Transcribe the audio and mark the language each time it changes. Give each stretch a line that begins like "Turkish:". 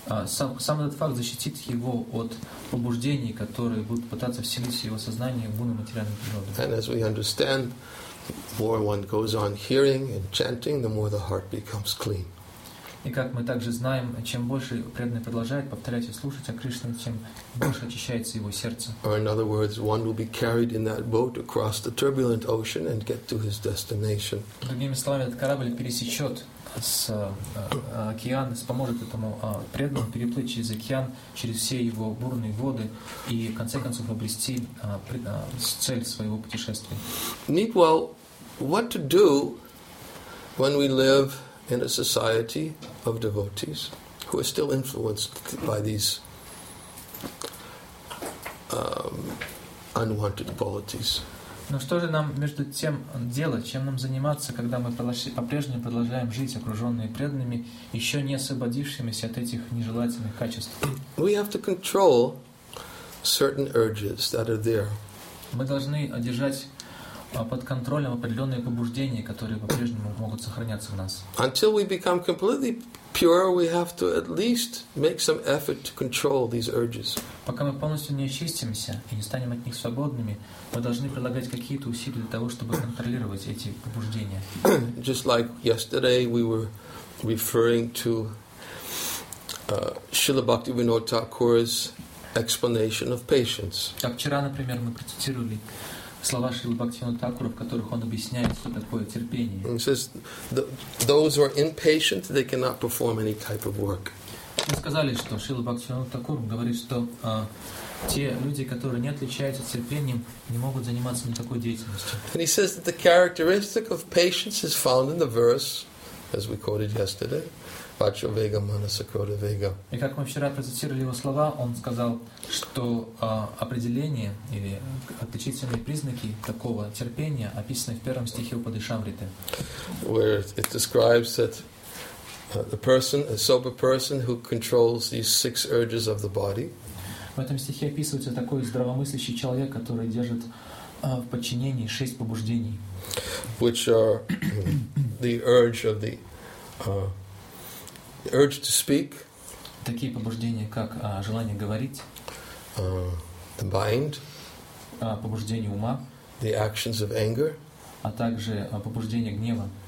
Russian: Сам этот факт защитит его от побуждений, которые будут пытаться вселить в его сознание гуны материальной природы.
English: And as we understand, the more one goes on hearing and chanting, the more the heart becomes clean.
Russian: И как мы также знаем, чем больше преданный продолжает повторять и слушать о Кришне, тем больше очищается его сердце.
English: Or in other words, one will be carried in that boat across the turbulent ocean and get to his destination.
Russian: Другими словами, этот корабль пересечет с океан, поможет этому преданному переплыть через океан, через все его бурные воды и в конце концов обрести цель своего путешествия.
English: Meanwhile, what to do when we live in a society of devotees who are still influenced by these unwanted qualities.
Russian: Но что же нам между тем делать, чем нам заниматься, когда мы по-прежнему продолжаем жить окружённые преданными, ещё не освободившимися от этих нежелательных качеств?
English: We have to control certain urges that are there.
Russian: Мы должны одержать под контролем определенные побуждения, которые по-прежнему могут сохраняться в нас.
English: Until we become completely pure, we have to at least make some effort to control these urges.
Russian: Пока мы полностью не очистимся и не станем от них свободными, мы должны прилагать какие-то усилия для того, чтобы контролировать эти побуждения.
English: Just like yesterday, we were referring to Srila Bhaktivinoda Thakur's explanation of patience.
Russian: Как вчера, например, мы процитировали слова Шрилы Бхактивинода Тхакура, в которых он объясняет, что такое терпение.
English: He says, those who are impatient, they cannot perform any type of work.
Russian: Мы сказали, что Шрила Бхактивинода Тхакура говорит, что те люди, которые не отличаются терпением, не могут заниматься никакой деятельностью.
English: And he says that the characteristic of patience is found in the verse, as we quoted yesterday,
Sanskrit: Vacho Vega Manasa Krodha Vega.
Russian: И как мы вчера процитировали его слова, он сказал, что определение или отличительные признаки такого терпения описаны в первом стихе Упадешамриты.
English: Where it describes that the person, a sober person who controls these six urges of the body.
Russian: В этом стихе описывается такой здравомыслящий человек, который держит в подчинении шесть побуждений.
English: Which are the urge of the urge to speak.
Russian: Такие побуждения, как желание говорить.
English: The mind.
Russian: Побуждение ума.
English: The actions of anger.
Russian: А также побуждение гнева.